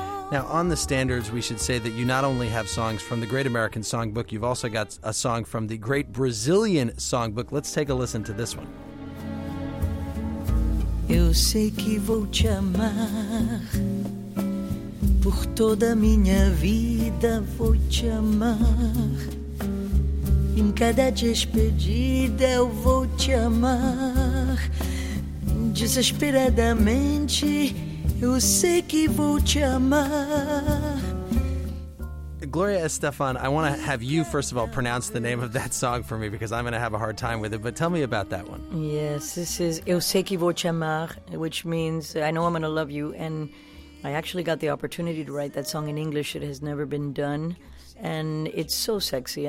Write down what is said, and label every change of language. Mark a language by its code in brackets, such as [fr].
[en] Now, on the standards, we should say that you not only have songs from the Great American Songbook, you've also got a song from the Great Brazilian Songbook. Let's take a listen to this one. [pt] Eu sei que vou te amar por toda a minha vida, vou te amar. Em cada despedida eu vou te amar. Desesperadamente, eu sei que vou te amar. [en] Gloria Estefan, I want to have you, first of all, pronounce the name of that song for me because I'm going to have a hard time with it. But tell me about that one. Yes, this is Eu Sei Que Vou Te Amar, which means I know I'm going to love you. And I actually got the opportunity to write that song in English. It has never been done. And it's so sexy.